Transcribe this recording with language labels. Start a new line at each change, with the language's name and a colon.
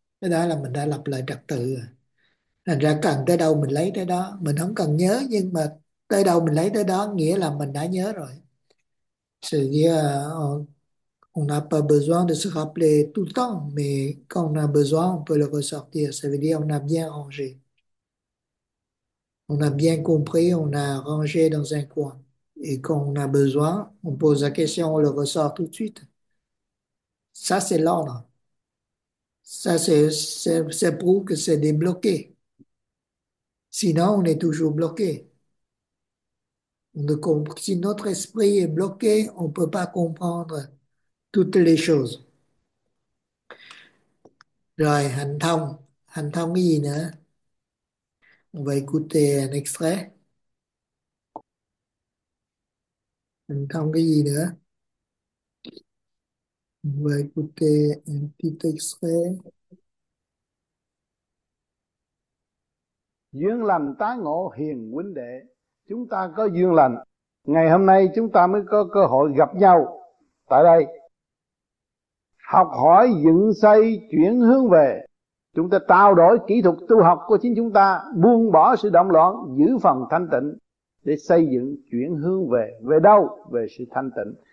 Vietnamese: Cái đó là mình đã lập lại trật tự rồi. Thành ra cần tới đâu mình lấy tới đó, mình không cần nhớ, nhưng mà tới đâu mình lấy tới đó nghĩa là mình đã nhớ rồi.
French: Sự on n'a pas besoin de se rappeler tout le temps, mais quand on a besoin, on peut le ressortir. Ça veut dire on a bien rangé. On a bien compris, on a rangé dans un coin. Et quand on a besoin, on pose la question, on le ressort tout de suite. Ça, c'est l'ordre. Ça prouve que c'est débloqué. Sinon, on est toujours bloqué. Si notre esprit est bloqué, on ne peut pas comprendre toutes les choses.
Vietnamese: Rồi, hành thông. Hành thông cái gì nữa?
French: On va écouter un extrait.
Vietnamese: Hành thông cái gì nữa?
French: Va écouter un petit extrait.
Vietnamese: Duyên lành tái ngộ hiền huynh đệ, chúng ta có duyên lành, ngày hôm nay chúng ta mới có cơ hội gặp nhau tại đây, học hỏi dựng xây chuyển hướng về, chúng ta trao đổi kỹ thuật tu học của chính chúng ta, buông bỏ sự động loạn, giữ phần thanh tịnh để xây dựng chuyển hướng về. Về đâu? Về sự thanh tịnh.